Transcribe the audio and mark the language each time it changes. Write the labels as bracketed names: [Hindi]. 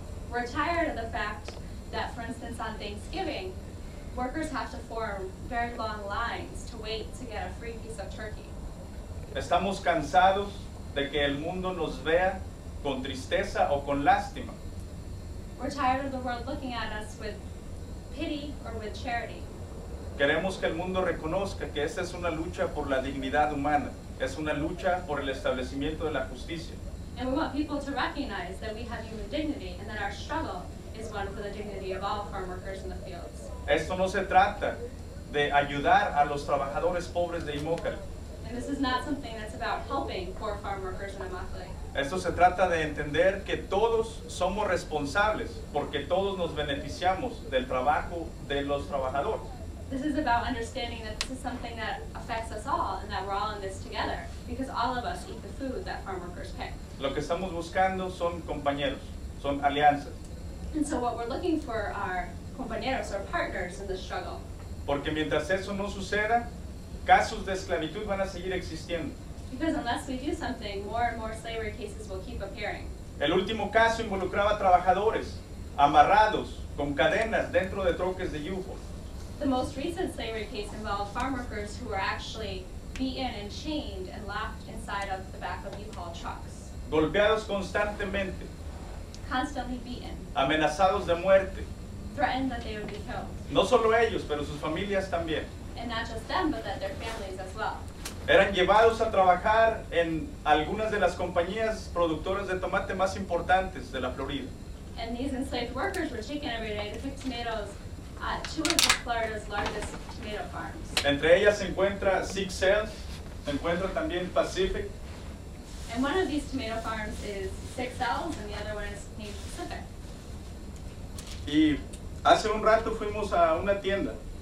[English] We're tired of the fact that, for instance, on Thanksgiving, workers have to form very long lines to wait to get a free piece of turkey. [Spanish] Estamos cansados de que el mundo nos vea con tristeza o con lástima. [English] We're tired of the world looking at us with pity or with charity. [Spanish] Queremos que el mundo reconozca que esta es una lucha por la dignidad humana. Es una lucha por el establecimiento de la justicia. [English] And we want people to recognize that we have human dignity and that our struggle is one for the dignity of all farm workers in the fields. [Spanish] Esto no se trata de ayudar a los trabajadores pobres de Immokalee. [English] And this is not something that's about helping poor farm workers in Immokalee. [Spanish] Esto se trata de entender que todos somos responsables porque todos nos beneficiamos del trabajo de los trabajadores. [English] This is about understanding that this is something that affects us all and that we're all in this together because all of us eat the food that farm workers pick. [Spanish] Lo que estamos buscando son compañeros, son alianzas. [English] And so what we're looking for are compañeros or partners in the struggle. [Spanish] Porque mientras eso no suceda, casos de esclavitud van a seguir existiendo. [English] Because unless we do something, more and more slavery cases will keep appearing. [Spanish] El último caso involucraba trabajadores amarrados con cadenas dentro de troques de yugo. [English] The most recent slavery case involved farm workers who were actually beaten and chained and locked inside of the back of U-Haul trucks. [Spanish] Golpeados constantemente. [English] Constantly beaten. [Spanish] Amenazados de muerte. [English] Threatened that they would be killed. [Spanish] No solo ellos, pero sus familias también. [English] And not just them, but that their families as well. [Spanish] Eran llevados a trabajar en algunas de las compañías productoras de tomate más importantes de la Florida. [English] And these enslaved workers were taken every day to pick tomatoes at two of Florida's largest tomato farms. [Spanish] Entre ellas se encuentra Six Sales, se encuentra también Pacific. [English] And one of these tomato farms is Six Sales, and the other one is named Pacific. [Spanish] Y hace un rato fuimos a una tienda.